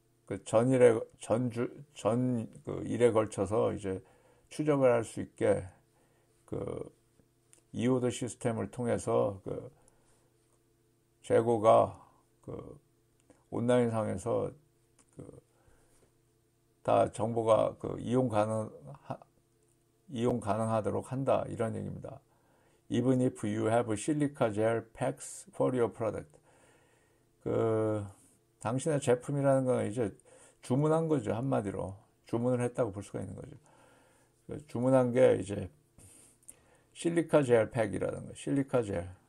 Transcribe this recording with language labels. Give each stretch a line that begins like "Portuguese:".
Korean: 그 전일에 전주 전그 일에 걸쳐서 이제 추적을 할수 있게 그 EOD 시스템을 통해서 그 재고가 그 온라인상에서 다 정보가 그 이용 가능하도록 한다 이런 얘기입니다.
English: Even if you have silica gel packs for your product.
Korean: 그 당신의 제품이라는 건 이제 주문한 거죠, 한마디로. 주문을 했다고 볼 수가 있는 거죠. 그 주문한 게 이제 실리카 젤 팩이라는 거, 실리카 젤.